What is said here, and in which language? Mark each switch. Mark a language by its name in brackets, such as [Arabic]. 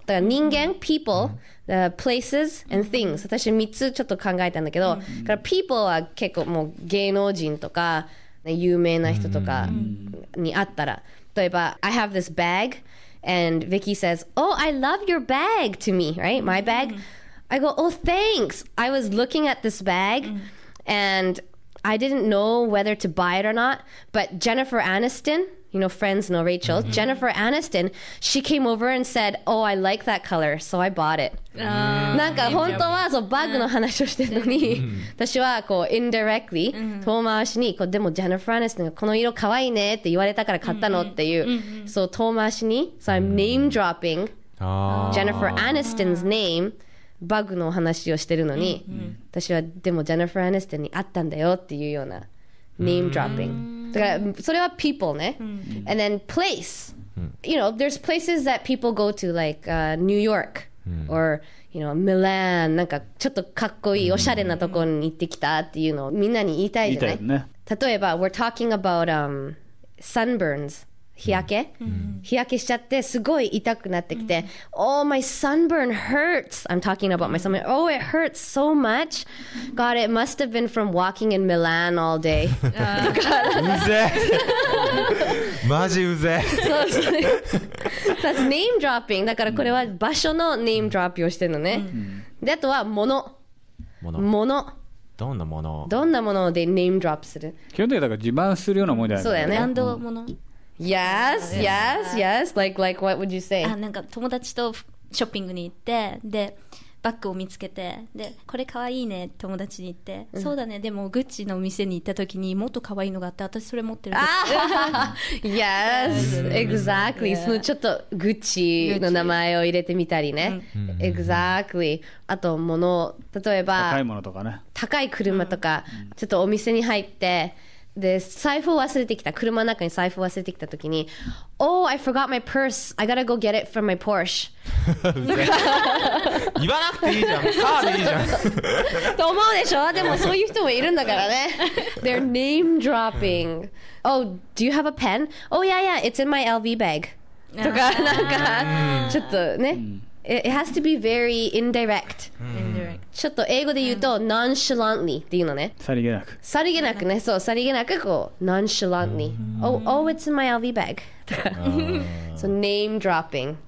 [Japanese] だから人間、 [English] people、places and things、 [Japanese] 私3つちょっと考えたんだけど、うん、だから people は結構もう芸能人とか有名な人とかに会ったら、例えば [English] I have this bag and Vicky says Oh, I love your bag to me, right? My bag、うん、I go, oh thanks, I was looking at this bag、うん、and I didn't know whether to buy it or not, but Jennifer AnistonYou know, friends know Rachel.、Mm-hmm. Jennifer Aniston, she came over and said, Oh, I like that color, so I bought it.、 [Japanese] なんか本当はそうバッグの話をしてるのに、私はこう indirectly、遠回しにこう、でも Jennifer Aniston がこの色可愛いねって言われたから買ったのっていう、そう遠回しに、 [English] so I'm name dropping Jennifer Aniston's name, [Japanese] バッグの話をしてるのに、私はでも Jennifer Aniston に会ったんだよっていうような name dropping。だからそれは people ね、うん、 [English] and then place、 [Japanese] うん、 [English] you know there's places that people go to like、 [Japanese] New York、うん、or you know Milan、 なんかちょっとかっこいいおしゃれなところに行ってきたっていうのをみんなに言いたいじゃない、言いたいね、例えば [English] we're talking about、sunburns、 [Japanese] 日焼け、うん、日焼けしちゃってすごい痛くなってきて、 [English] うん、Oh my sunburn hurts、 I'm talking about my sunburn、 Oh it hurts so much、 God it must have been from walking in Milan all day、 [Japanese] うぜマジうぜそう、 [English] That's name dropping、 [Japanese] だからこれは場所の name drop をしてるのね、うん、で、あとは物、物、どんなものを、どんなものをで name drop する、基本的にだから自慢するようなものじゃない、そうだよね、ランド物、 [English] Yes, yes, yes. Like, what would you say? [Japanese] あ、なんか友達とショッピングに行って、で、バッグを見つけて、で、これかわいいね、友達に言って、うん、そうだね、でも、グッチの店に行った時にもっとかわいいのがあって、私それ持ってる。 [English] yes, exactly.、Yeah. [Japanese] そのちょっとグッチの名前を入れてみたりね。 exactly. あと、もの、例えば、高いものとかね。高い車とか、うん、ちょっとお店に入って、で財布を忘れてきた、車の中に財布を忘れてきたときに [English] Oh, I forgot my purse. I gotta go get it from my Porsche. [Japanese] 言わなくていいじゃん、カードいいじゃんと思うでしょ、でもそういう人もいるんだからね。 [English] They're name dropping. Oh, do you have a pen? Oh, yeah, yeah, it's in my LV bag. [Japanese] とかなんかちょっとね、 [English] It has to be very indirect. Indirect. [Japanese] ちょっと英語で言うと nonchalantly っていうのね。さりげなく。さりげなくね。そう、さりげなくこう nonchalantly. [English] Oh, oh, it's in my LV bag. So name dropping.